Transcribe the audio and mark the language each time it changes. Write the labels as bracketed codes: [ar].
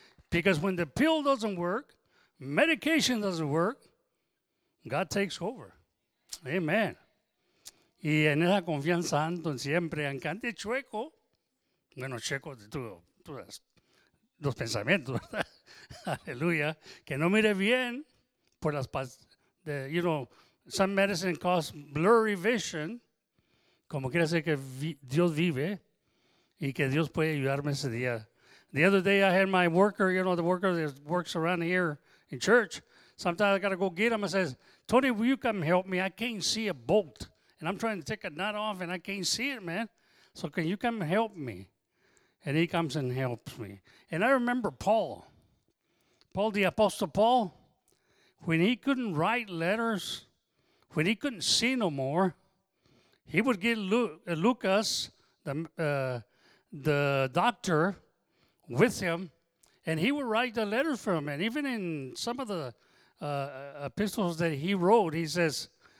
[en] Because when the pill doesn't work, medication doesn't work, God takes over, amen. [es] Y en esa confianza ando siempre, aunque ande chueco, bueno, chueco tú das los pensamientos, ¿verdad? Aleluya. Que no mire bien por las pastillas. [en] You know, some medicine causes blurry vision. [es] Como quiere decir que Dios vive y que Dios puede ayudarme ese día. [en] The other day I had my worker, you know, the worker that works around here in church. Sometimes I got to go get him and says, Tony, will you come help me? I can't see a bolt. And I'm trying to take a nut off and I can't see it, man. So can you come help me? And he comes and helps me. And I remember Paul, the Apostle Paul, when he couldn't write letters, when he couldn't see no more, he would get Lucas, the doctor, with him, and he would write the letters for him. And even in some of the epistles that he wrote, he says,